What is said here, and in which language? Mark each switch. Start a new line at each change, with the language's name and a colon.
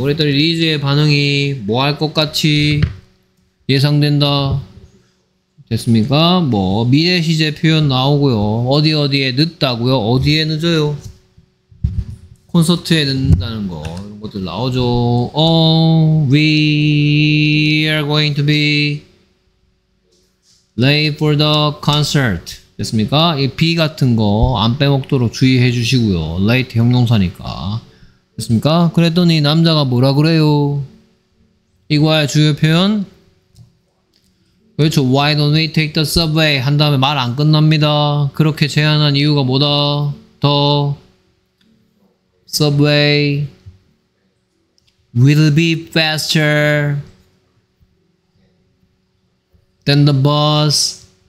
Korean: 그랬더니 리즈의 반응이 뭐 할 것 같이 예상된다. 됐습니까? 뭐 미래 시제 표현 나오고요. 어디 어디에 늦다고요? 어디에 늦어요? 콘서트에 늦는다는 거 이런 것들 나오죠.
English: We are going to be late for the concert.
Korean: 됐습니까? 이 be 같은 거 안 빼먹도록 주의해 주시고요. late 형용사니까. 됐습니까? 그랬더니 남자가 뭐라 그래요? 이거야 주요 표현? 그렇죠.
English: Why don't we take the subway?
Korean: 한 다음에 말 안 끝납니다. 그렇게 제안한 이유가 뭐다?
English: The subway will be faster than the bus.